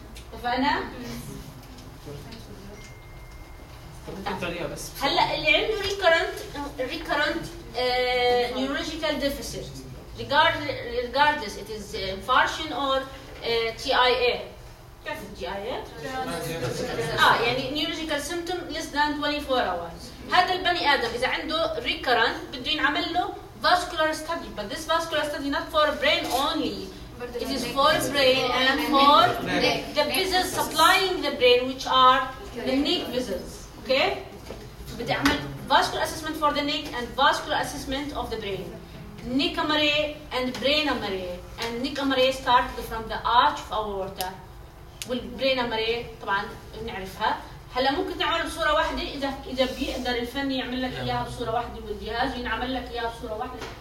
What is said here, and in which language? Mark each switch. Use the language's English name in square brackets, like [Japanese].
[Arabic] اتفقنا؟ هلا اللي عنده [English] recurrent neurological deficit regardless it is infarction or TIA. يعني neurological symptom less than 24 hours. [Arabic] هذا البني آدم إذا عنده recurrent بده ينعمل له vascular study. [English] But this vascular study not for brain only. It is for brain and for the vessels supplying the brain which are the neck vessels. Okay. [Arabic] بدي أعمل [English] vascular assessment for the neck and vascular assessment of the brain. Neck MRI and brain MRI. And neck MRI started from the arch of aorta. [Arabic] والبرين MRI طبعاً نعرفها. هلا ممكن تعمل بصورة واحدة إذا بيقدر الفني يعمل لك إياها بصورة واحدة والجهاز ينعمل لك إياها بصورة واحدة.